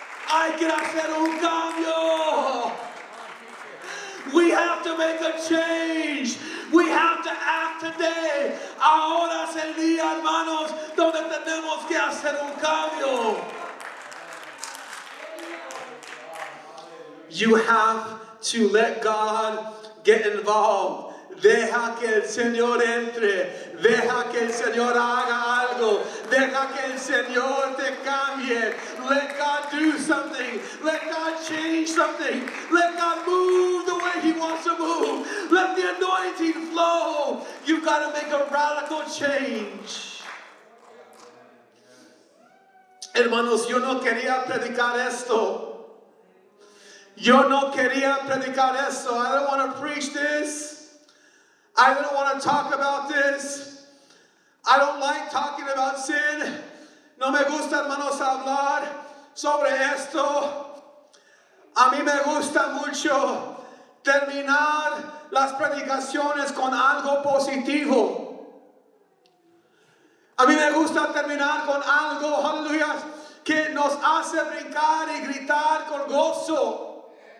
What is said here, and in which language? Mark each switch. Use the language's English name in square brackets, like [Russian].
[Spanish] Hay que hacer un cambio. [English] We have to make a change. We have to act today. [Spanish] Ahora es el día, hermanos, donde tenemos que hacer un cambio. [English] You have to let God get involved. [Spanish] Deja que el Señor entre. Deja que el Señor haga algo. Deja que el Señor te cambie. [English] Let God do something. Let God change something. Let God move the way he wants to move. Let the anointing flow. You've got to make a radical change. [Spanish] Hermanos, yo no quería predicar esto. Yo no quería predicar esto. [English] I don't want to preach this. I don't want to talk about this. I don't like talking about sin. [Spanish] No me gusta, hermanos, hablar sobre esto. A mí me gusta mucho terminar las predicaciones con algo positivo. A mí me gusta terminar con algo, aleluya, que nos hace brincar y gritar con gozo.